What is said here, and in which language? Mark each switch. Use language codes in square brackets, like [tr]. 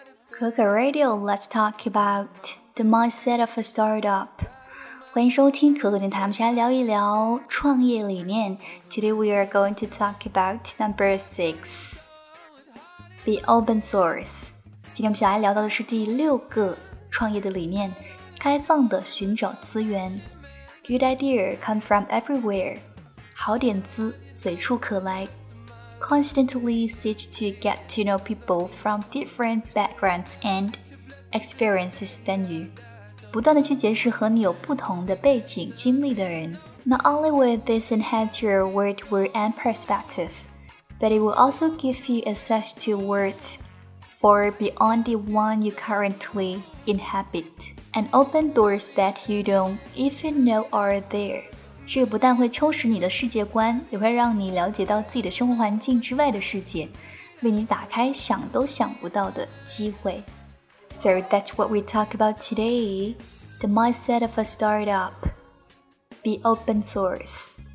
[en] 可可 Radio, let's talk about the mindset of a startup. [zh] 欢迎收听可可电台，我们先来聊一聊创业理念。 [en] Today we are going to talk about number 6, be open source. [zh] 今天我们先来聊到的是第六个创业的理念，开放的寻找资源。 [en] Good idea come from everywhere. [zh] 好点子随处可来。 [en] Constantly seek to get to know people from different backgrounds and experiences than you. [zh] 不断地去结识和你有不同的背景经历的人。 [en] Not only will this enhance your worldview and perspective, but it will also give you access to worlds far beyond the one you currently inhabit, and open doors that you don't even know are there. [zh] 这不但会充实你的世界观，也会让你了解到自己的生活环境之外的世界，为你打开想都想不到的机会。 [en] So that's what we talk about today. The mindset of a startup. Be open source.